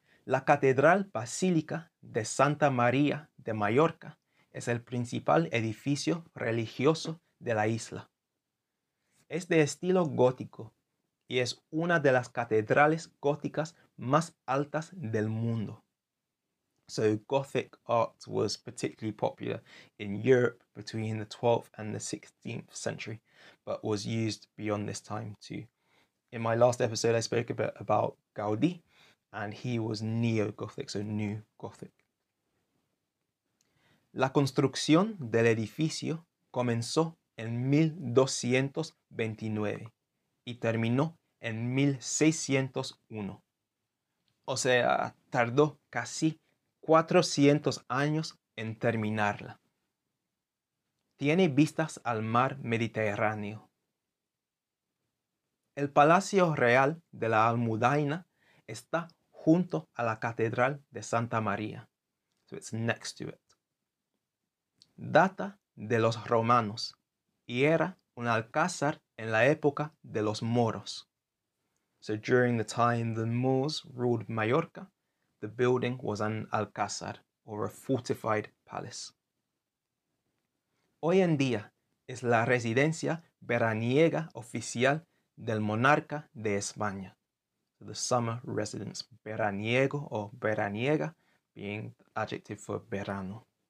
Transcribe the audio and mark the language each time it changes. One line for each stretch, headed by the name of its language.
Spanish: La Catedral Basílica de Santa María de Mallorca es el principal edificio religioso de la isla. Es de estilo gótico y es una de las catedrales góticas más altas del mundo.
English: So Gothic art was particularly popular in Europe between the 12th and the 16th century, but was used beyond this time too. In my last episode, I spoke a bit about Gaudí, and he was neo-Gothic, so new Gothic.
Spanish: La construcción del edificio comenzó en 1229 y terminó en 1601. O sea, tardó casi 400 años en terminarla. Tiene vistas al mar Mediterráneo. El Palacio Real de la Almudaina está junto a la Catedral de Santa María.
English: So it's next to it.
Spanish: Data de los romanos y era un alcázar en la época de los moros.
English: So during the time the Moors ruled Mallorca, the building was an alcázar, or a fortified palace.
Spanish: Hoy en día es la residencia veraniega oficial del monarca de España.
English: So the summer residence,
Spanish: veraniego o veraniega,
English: being the adjective for verano.